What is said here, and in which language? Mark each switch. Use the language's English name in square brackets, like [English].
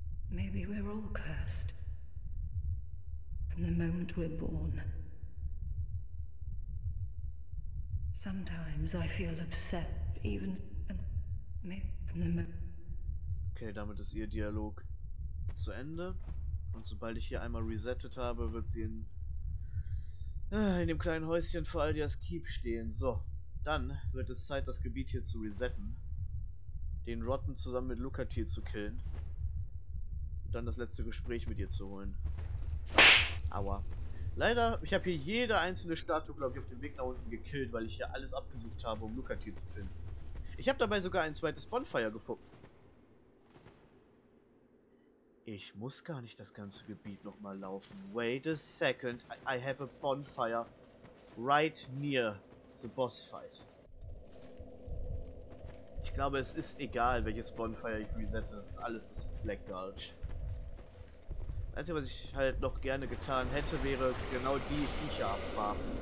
[English] Maybe we're all cursed. From the moment we're born. Sometimes I feel upset, even from the moment. [German] Okay, damit ist ihr Dialog zu Ende. Und sobald ich hier einmal resettet habe, wird sie in dem kleinen Häuschen vor Aldias Keep stehen. So. Dann wird es Zeit, das Gebiet hier zu resetten, den Rotten zusammen mit Lucatil zu killen und dann das letzte Gespräch mit ihr zu holen. Aua. Leider, ich habe hier jede einzelne Statue, glaube ich, auf dem Weg nach unten gekillt, weil ich hier alles abgesucht habe, um Lucatil zu finden. Ich habe dabei sogar ein zweites Bonfire gefunden. Ich muss gar nicht das ganze Gebiet nochmal laufen. [English] Wait a second, I have a bonfire right near the Bossfight. [German] Ich glaube, es ist egal, welches Bonfire ich resette. Das ist alles das Black Gulch. Das Einzige, was ich halt noch gerne getan hätte, wäre genau die Viecher abfahren.